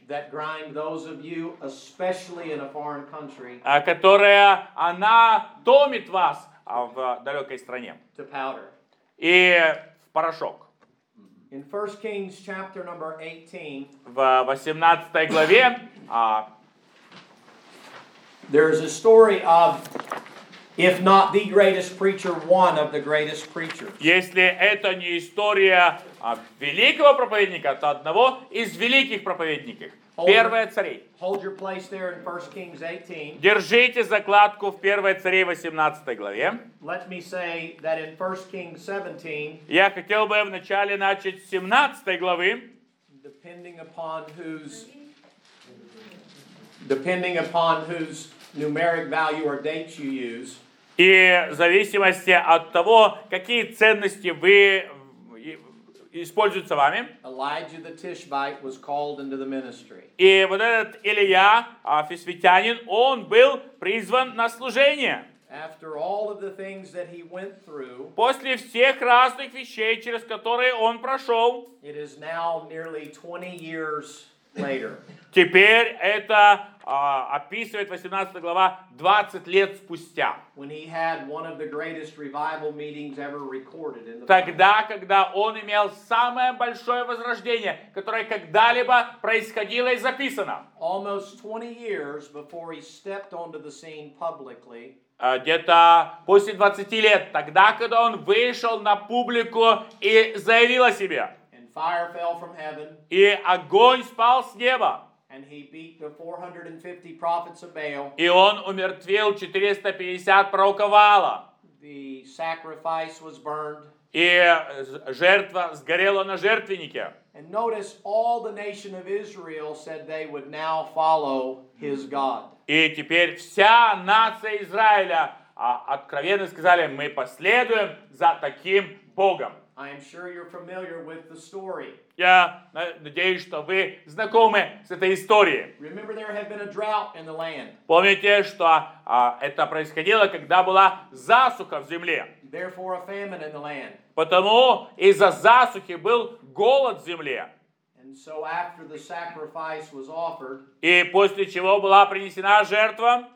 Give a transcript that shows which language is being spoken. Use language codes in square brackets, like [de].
[en] That grind those of you, especially in a foreign country. [ru] А которая она томит вас в далекой стране. [en] To powder. [ru] И в порошок. [en] In 1 Kings chapter number 18. [ru] В 18 главе. [en] There is a story of. If not the greatest preacher, one of the greatest preachers. [ru] Если это не история великого проповедника, то одного из великих проповедников. Первое царей. [en] Hold your place there in 1 Kings 18. [ru] Держите закладку в 1 царей 18 главе. [en] Let me say that in 1 Kings 17. [ru] Я хотел бы вначале начать с 17 главы. [en] Depending upon whose numeric value or dates you use. [ru] И в зависимости от того, какие ценности вы используются вами. [en] Elijah the Tishbite was called into the ministry. [ru] И вот этот Илия, фисвитянин, он был призван на служение. [en] After all of the things that he went through, [ru] после всех разных вещей, через которые он прошел, [en] it is now nearly 20 years later. [ru] Теперь это описывает 18 глава 20 лет спустя. [en] When he had one of the greatest revival meetings ever recorded in the [ru] тогда, когда он имел самое большое возрождение, которое когда-либо происходило и записано. [en] Almost 20 years before he stepped onto the scene publicly. [ru] Где-то после 20 лет, тогда, когда он вышел на публику и заявил о себе. [en] And fire fell from heaven. [ru] И огонь спал с неба. [en] And he beat the 450 prophets of Baal. [ru] И он умертвил 450 пророков Ваала. [en] The sacrifice was burned. [ru] И жертва сгорела на жертвеннике. [en] And notice all the nation of Israel said they would now follow his God. [ru] И теперь вся нация Израиля откровенно сказали, мы последуем за таким Богом. [en] I am sure you're familiar with the story. [ru] Я надеюсь, что вы знакомы с этой историей. [en] Remember, there had been a drought in the land. [ru] Помните, что это происходило, когда была засуха в земле. [en] Therefore, a famine in the land. [ru] Потому из-за засухи был голод в земле. [en] And so after the sacrifice was offered, [ru] и после чего была принесена жертва,